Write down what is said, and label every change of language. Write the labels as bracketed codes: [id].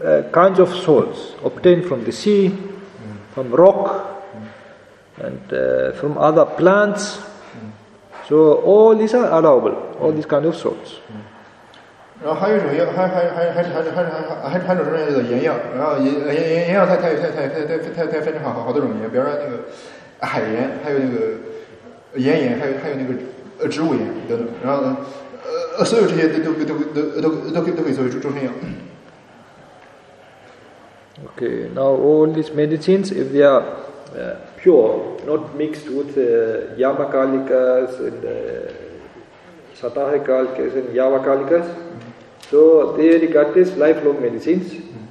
[en] Kinds of salts obtained from the sea, from rock, and from other plants. So all these are allowable. All these kind of salts. [zh] 然后还有一种药，还有种叫做盐药。然后盐药它分成好多种盐，比如说那个海盐，还有那个盐盐，还有那个植物盐等等。然后所有这些都可以作为终身药。 [en] Okay, now all these medicines, if they are pure, not mixed with yamakalikas and satahikalikas and yavakalikas, so they regard as lifelong medicines.